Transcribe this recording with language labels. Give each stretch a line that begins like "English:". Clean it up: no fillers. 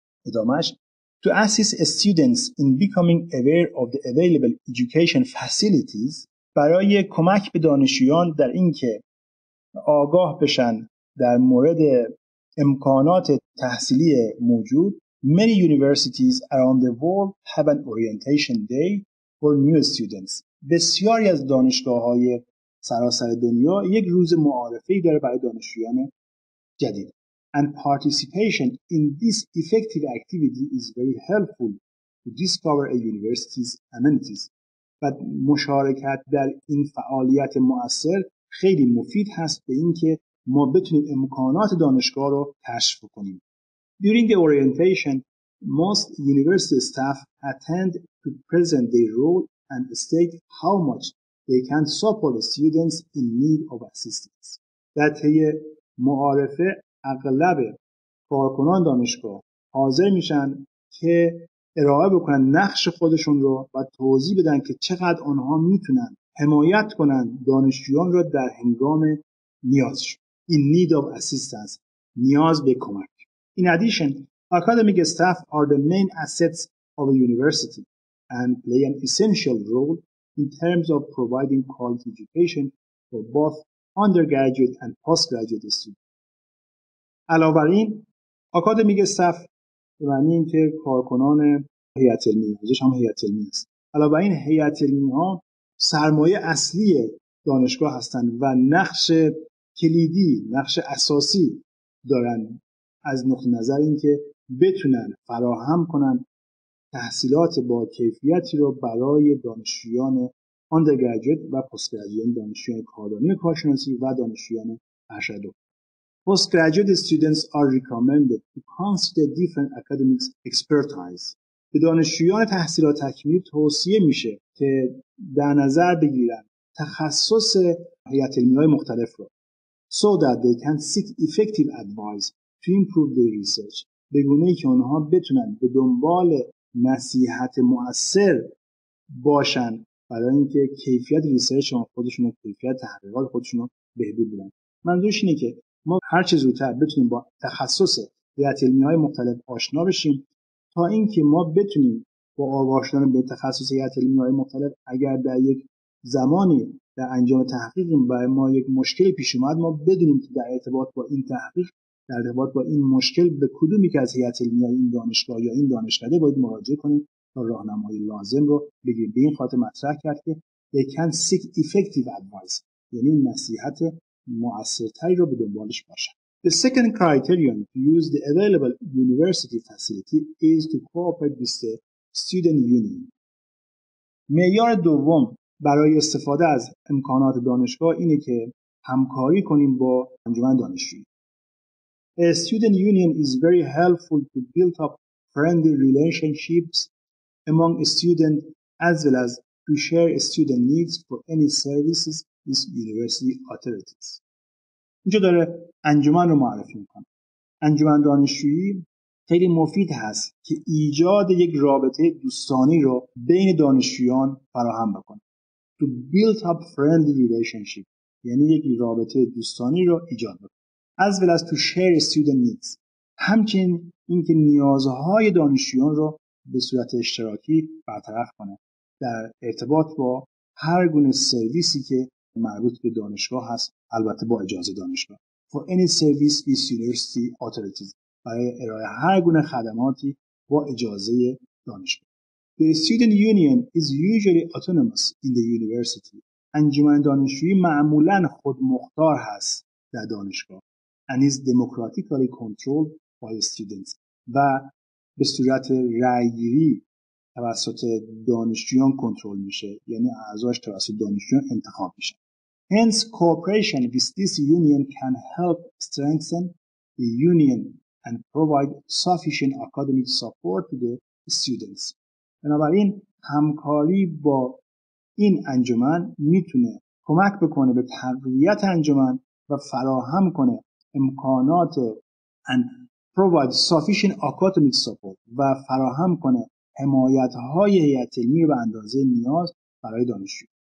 English: ادامهش To assist students in becoming aware of the available education facilities
Persian: برای کمک به دانشجویان در این که آگاه بشن در مورد امکانات تحصیلی موجود
English: Many universities around the world have an orientation day for new students.
Persian: بسیاری از دانشگاه‌های سراسر دنیا یک روز معارفه‌ای داره برای دانشجویان جدید.
English: And participation in this effective activity is very helpful to discover a university's amenities.
Persian: و مشارکت در این فعالیت مؤثر خیلی مفید هست به اینکه ما بتونیم امکانات دانشگاه رو کشف کنیم.
English: During the orientation, most university staff attend to present their role and state how much they can support students in need of assistance.
Persian: در طی معارفه اغلب کارکنان دانشگاه حاضر میشن که ارائه بکنن نقش خودشون رو و توضیح بدن که چقدر آنها میتونن حمایت کنن دانشجویان رو در هنگام نیازشون.
English: In need of assistance.
Persian: نیاز به کمک.
English: In addition, academic staff are the main assets of a university and play an essential role in terms of providing quality education for both undergraduate and postgraduate students.
Persian: علاوه بر این، academic staff به معنی این که کارکنان هیئت علمی، ازش هم هیئت علمی است. علاوه بر این هیئت علمی ها سرمایه اصلی دانشگاه هستند و نقش کلیدی، نقش اساسی دارند. از نقطه نظر این که بتونن فراهم کنن تحصیلات با کیفیتی رو برای دانشجویان undergraduate و postgraduate، دانشجویان کارآموزی کارشناسی و دانشجویان ارشد.
English: Postgraduate students are recommended to consider different academic expertise.
Persian: به دانشجویان تحصیلات تکمیلی توصیه میشه که در نظر بگیرن تخصص هیئت علمی‌های مختلف رو.
English: so that they can seek effective advice to improve their research.
Persian: به گونه ای که اونها بتونن به دنبال نصیحت مؤثر باشن برای اینکه کیفیت ریسرچ خودشون رو، کیفیت تحقیقات خودشون رو بهبود بدن. منظورش اینه که ما هر چه زودتر بتونیم با تخصص هیئت علمی های مختلف آشنا بشیم تا اینکه ما بتونیم با آواشتن به تخصص هیئت علمی های مختلف اگر در یک زمانی در انجام تحقیقیم برای ما یک مشکلی پیش اومد، ما بدونیم که در ارتباط با این تحقیق، در ارتباط با این مشکل به کدومی که از هیئت علمی های این دانشگاه یا این دانشکده باید مراجعه کنیم تا راهنمایی لازم رو بگیریم. به این خاطر مطرح کرد که
English: they can seek effective advice،
Persian: یعنی نصیحت مؤثرتری رو به دنبالش باشن.
English: The second criterion to use the available university facility is to cooperate with the student union.
Persian: معیار دوم برای استفاده از امکانات دانشگاه اینه که همکاری کنیم با انجمن دانشجویی.
English: A student union is very helpful to build up friendly relationships among students as well as to share student needs for any services with university authorities.
Persian: اینجا داره انجمن رو معرفی میکنه. انجمن دانشجویی خیلی مفید هست که ایجاد یک رابطه دوستانه رو بین دانشجویان فراهم بکنه.
English: To build up friendly relationship
Persian: یعنی یک رابطه دوستانه رو ایجاد بکنه.
English: As well as to share student needs،
Persian: همچنین اینکه نیازهای دانشجویان رو به صورت اشتراکی برطرف کنه در ارتباط با هر گونه سرویسی که مربوط به دانشگاه هست، البته با اجازه دانشگاه.
English: For any service with university authorities،
Persian: برای ارائه هر گونه خدماتی با اجازه دانشگاه.
English: The student union is usually autonomous in the university.
Persian: انجمن دانشجویی معمولاً خودمختار هست در دانشگاه.
English: And is democratically controlled by students.
Persian: و به صورت رأی‌گیری توسط دانشجویان کنترل میشه، یعنی اعضاش توسط دانشجویان انتخاب میشه.
English: Hence cooperation with this union can help strengthen the union and provide sufficient academic support to the students.
Persian: بنابراین همکاری با این انجمن میتونه کمک بکنه به تقویت انجمن و فراهم کنه امکانات
English: and provide sufficient academic support
Persian: و فراهم کنه حمایت های هیئت علمی به اندازه نیاز برای دانشجو.